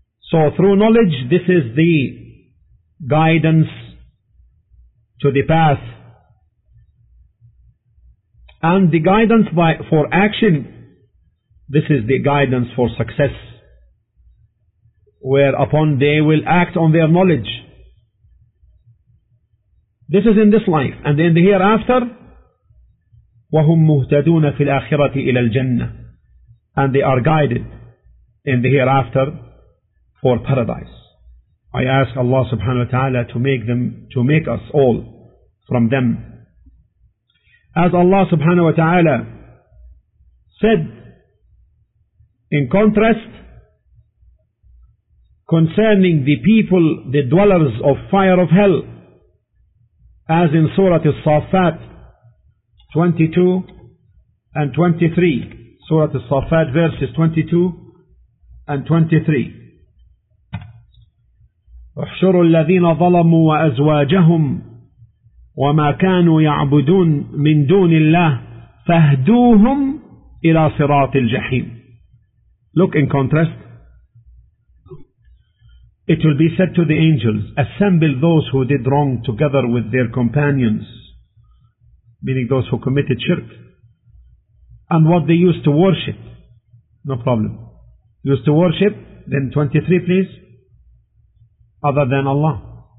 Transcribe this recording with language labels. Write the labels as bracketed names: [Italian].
[English] So through knowledge, this is the guidance to the path, and the guidance by for action, this is the guidance for success, whereupon they will act on their knowledge. This is in this life. And in the hereafter, [Arabic] وَهُمْ مُهْتَدُونَ فِي الْآخِرَةِ إِلَى الْجَنَّةِ. [English] And they are guided in the hereafter for paradise. I ask Allah subhanahu wa ta'ala to make us all from them. As Allah subhanahu wa ta'ala said, in contrast, concerning the people, the dwellers of fire of hell, as in Surah As-Saffat 22 and 23, Surah As-Saffat verses 22 and 23. [Arabic] احشروا الذين ظلموا وأزواجهم وما كانوا يعبدون من دون الله فاهدوهم إلى صراط الجحيم. [English] Look in contrast. It will be said to the angels, assemble those who did wrong together with their companions, meaning those who committed shirk, and what they used to worship. No problem. Used to worship, then 23 please, other than Allah.